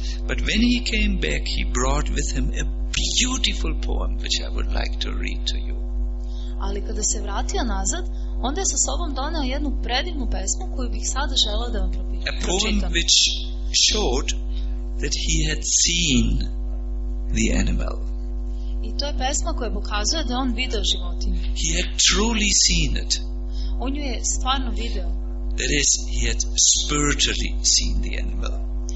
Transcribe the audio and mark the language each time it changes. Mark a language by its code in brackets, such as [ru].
[en] But when he came back, he brought with him a beautiful poem which I would like to read to you. [sr] Ali kada se vratio nazad, onda je sa sobom doneo jednu predivnu pesmu koju bih sada želeo da vam pročitam. [en] A poem which showed that he had seen the animal. [sr] I to je pesma koja pokazuje da on video životinju. [en] He had truly seen it. [sr] On ju je stvarno video. [en] That is, he had spiritually seen the animal.